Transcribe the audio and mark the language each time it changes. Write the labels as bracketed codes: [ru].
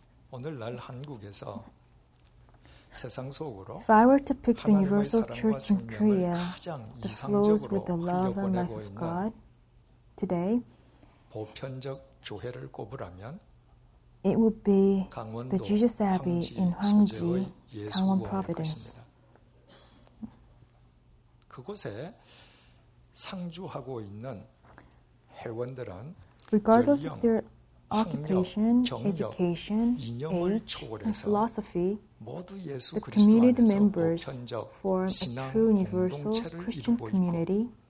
[ko] 오늘날 한국에서 세상 속으로 하나님의 사랑과 생명을 가장 이상적으로 흘려보내고 있는 보편적 교회를 꼽으라면 [en] It would be the Jesus Abbey in Hwangji, Gangwon Providence. [ko] 그곳에 상주하고 있는 회원들은 [en] regardless of their occupation, education, age, and philosophy, the community members form a true universal Christian community.